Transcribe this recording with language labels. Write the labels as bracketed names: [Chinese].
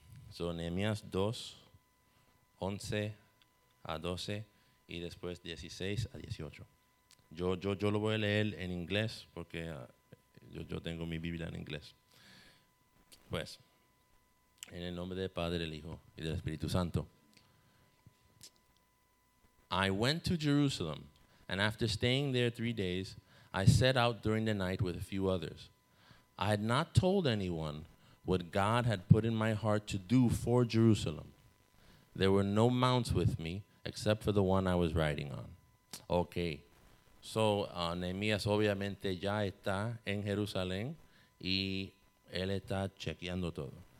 [Spanish] So, Nehemías 2, 11 a 12 y después 16 a 18. Yo lo voy a leer en inglés porque yo tengo mi Biblia en inglés. Pues, en el nombre del Padre, el Hijo y del Espíritu Santo. [English] I went to Jerusalem, and after staying there 3 days, I set out during the night with a few others. I had not told anyone what God had put in my heart to do for Jerusalem. There were no mounts with me, except for the one I was riding on. [Spanish] Okay, so Nehemías obviamente ya está en Jerusalén, y él está chequeando todo.